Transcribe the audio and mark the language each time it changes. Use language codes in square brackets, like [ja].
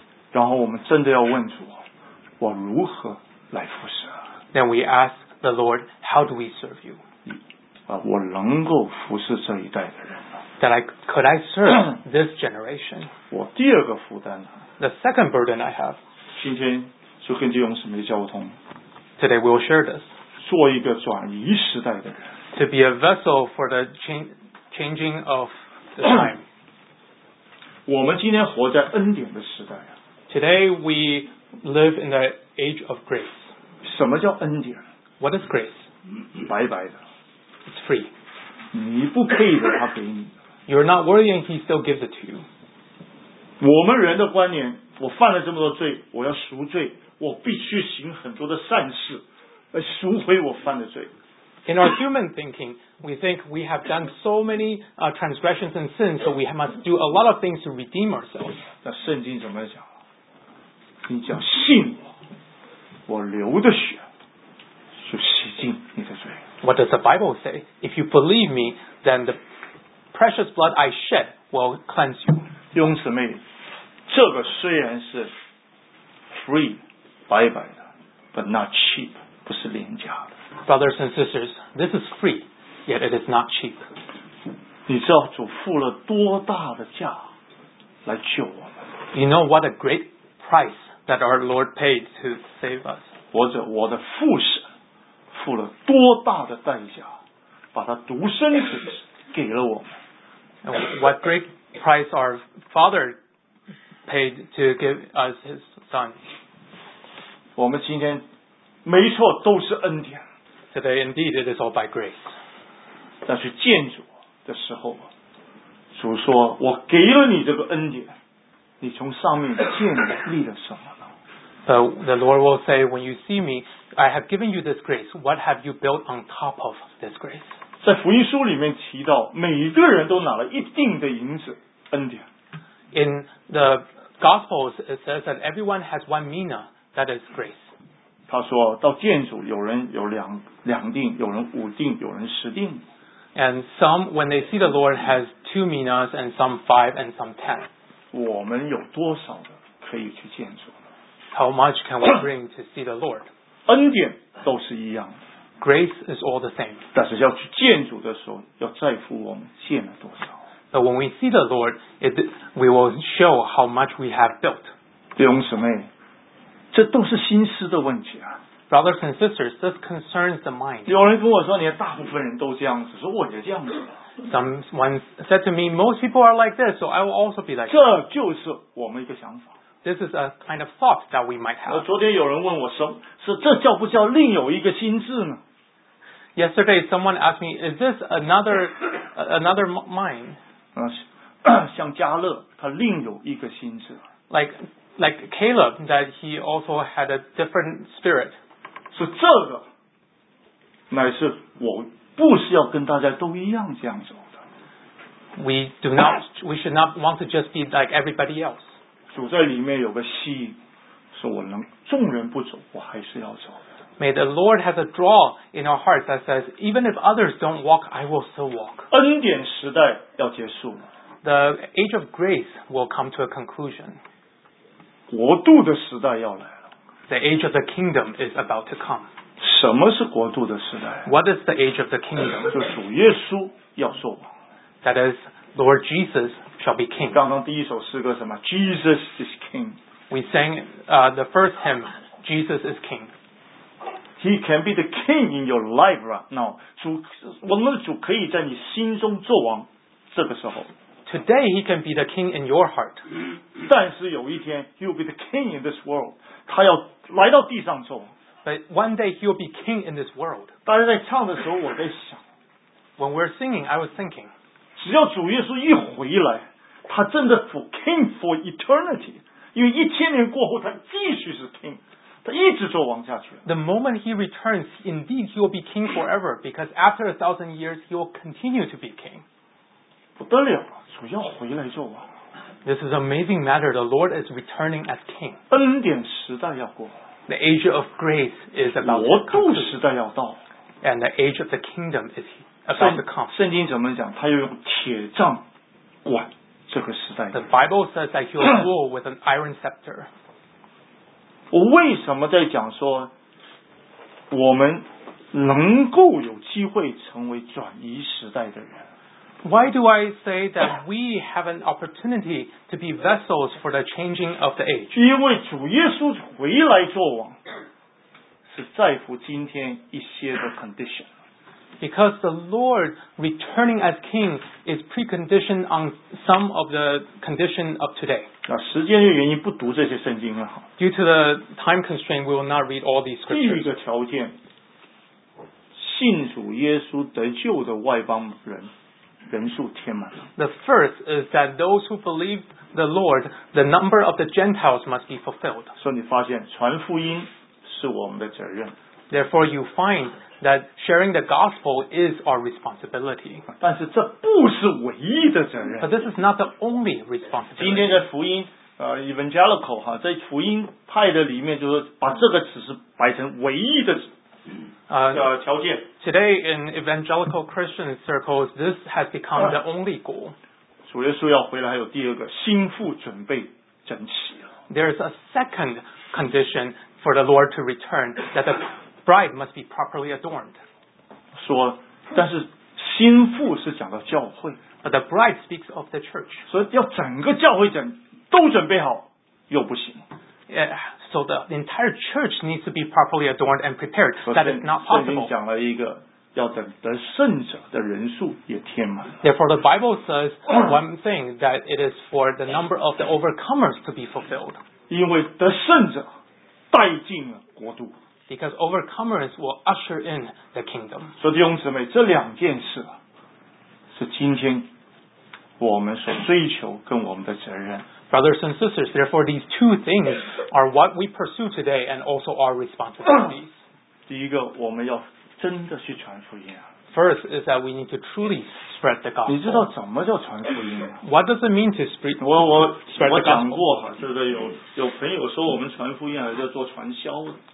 [zh] 然后我们真的要问主，我如何？ [en] Then we ask the Lord, how do we serve you? [zh] 我能够服侍这一代的人吗？ [en] That I could I serve this generation? [zh] 我第二个负担呢？ [en] The second burden I have. [zh] 今天就跟弟兄姊妹交通。 [en] Today we'll share this. [zh] 做一个转移时代的人。 [en] To be a vessel for the changing of the time. [zh] 我们今天活在恩典的时代啊。 [en] Today we live in the age of grace. [zh] 什么叫恩典？ [en] What is grace? [zh] 白白的。 [en] It's free. [zh] 你不配的他给你。 [en] You're not worthy and he still gives it to you. [zh] 我们人的观念，我犯了这么多罪，我要赎罪，我必须行很多的善事，来赎回我犯的罪。 [en] In our human thinking, we think we have done so many transgressions and sins, so we must do a lot of things to redeem ourselves. [zh] 那圣经怎么讲？你只要信我，我流的血就洗净你的罪。 [en] What does the Bible say? If you believe me, then the precious blood I shed will cleanse you. [zh] 弟兄姊妹，这个虽然是 free 白白的 ， [en] but not cheap， [zh] 不是廉价的。 [en] Brothers and sisters, this is free, yet it is not cheap. [zh] 你知道主付了多大的价来救我们 [en] ？You know what a great price. That our Lord paid to save us. [zh] 或者我的父神付了多大的代价，把他独生子给了我们。 [en] And what great price our Father paid to give us His Son. [zh] 我们今天没错都是恩典。 [en] Today indeed it is all by grace. [zh] 但是见主的时候，主说我给了你这个恩典，你从上面建立了什么？ [en] But the Lord will say, when you see me, I have given you this grace. What have you built on top of this grace? [zh] 在福音书里面提到，每个人都拿了一定的银子恩典。 [en] In the Gospels, it says that everyone has one mina, that is grace. [zh] 他说到建筑，有人有两锭，有人五锭，有人十锭。 [en] And some, when they see the Lord, has two minas, and some five, and some ten. [zh] 我们有多少的可以去建筑？ [en] How much can we bring to see the Lord? [zh] 恩典都是一样的。 [en] Grace is all the same. [zh] 但是要去见主的时候，要在乎我们建了多少。 [en] But when we see the Lord, we will show how much we have built. [zh] 弟兄姊妹，这都是心思的问题啊。 [en] Brothers and sisters, this concerns the mind. [zh] 有人跟我说，你大部分人都这样子，说我也这样子。 [en] Someone said to me, most people are like this, so I will also be like. [zh] 这就是我们一个想法。 [en] This is a kind of thought that we might have. [zh] 昨天有人问我是这叫不叫另有一个心智呢？ [en] Yesterday, someone asked me, is this another mind? [zh] 像加勒，他另有一个心智。 [en] Like Caleb, that he also had a different spirit. [zh] 是这个，乃是我不是要跟大家都一样这样走的。 [en] We should not want to just be like everybody else. [zh] 主在里面有个吸引，说我能众人不走，我还是要走的。 [en] May the Lord have a draw in our hearts that says, even if others don't walk, I will still walk. [zh] 恩典时代要结束了。 [en] The age of grace will come to a conclusion. [zh] 国度的时代要来了。 [en] The age of the kingdom is about to come. [zh] 什么是国度的时代？ [en] What is the age of the kingdom? [zh] 就主耶稣要做王。 [en] That is, Lord Jesus. Shall be king. [zh] 刚刚第一首诗歌什么 ？ [en] Jesus is king. We sang the first hymn. Jesus is king. He can be the king in your life right now. [zh] 主，我们的主可以在你心中作王。这个时候 [en] ，Today he can be the king in your heart. [zh] 但是有一天 ， [en] he will be the king in this world. [zh] 他要来到地上做王。 [en] But one day he will be king in this world. [zh] 大家在唱的时候，我在想 [en] ，When we're singing, I was thinking. [zh] 只要主耶稣一回来，他真的 [en] for king for eternity， [zh] 因为一千年过后他继续是 king， 他一直做王下去。 [en] The moment he returns, indeed he will be king forever, because after 1,000 years he will continue to be king. [zh] 不得了，主要回来做王。 [en] This is an amazing matter. The Lord is returning as king. [zh] 恩典时代要过。 [en] The age of grace is about to come. [zh] 国度时代要到。 [en] And the age of the kingdom is about to come. [zh] 圣经怎么讲？他要用铁杖管这个时代。 [en] The Bible says that he will rule with an iron scepter. [zh] 我为什么在讲说我们能够有机会成为转移时代的人？ [en] Why do I say that we have an opportunity to be vessels for the changing of the age? [zh] 因为主耶稣回来做王，是在乎今天一些的 condition. [en] Because the Lord returning as king is preconditioned on some of the condition of today. [zh] 时间的原因不读这些圣经了。 [en] Due to the time constraint, we will not read all these scriptures. [zh] 第一个条件，信主耶稣得救的外邦人人数填满了。 [en] The first is that those who believe the Lord, the number of the Gentiles must be fulfilled. [zh] 所以你发现传福音是我们的责任。 [en] Therefore, you find that sharing the gospel is our responsibility. [zh] 但是这不是唯一的责任。 [en] But this is not the only responsibility. [zh] 今天在福音evangelical 哈，在福音派的里面，就是把这个只是摆成唯一的。 [en] Today in evangelical Christian circles, this has become the only goal. [zh] 主耶稣要回来，还有第二个，心腹准备整齐。 [en] There is a second condition for the Lord to return, that the bride must be properly adorned. [zh] 说，但是心腹是讲到教会。 [en] But the bride speaks of the church. [zh] 所以要整个教会整都准备好，又不行。 [en] Yeah, so the entire church needs to be properly adorned and prepared. That is not possible. 圣经 [zh] 讲了一个，要等得胜者的人数也填满。 [en] Therefore, the Bible says one thing, that it is for the number of the overcomers to be fulfilled. [zh] 因为得胜者带进了国度。 [en] Because overcomers will usher in the kingdom. [zh] 所以弟兄姊妹，这两件事是今天我们所追求跟我们的责任。 [en] Brothers and sisters, therefore these two things are what we pursue today and also our responsibilities. [zh] 第一个，我们要真的去传福音。 [en] First is that we need to truly spread the gospel. [zh] 你知道怎么叫传福音吗？ [en] What does it mean to spread the gospel? [zh] 我讲过哈，这个有朋友说我们传福音还是要做传销的。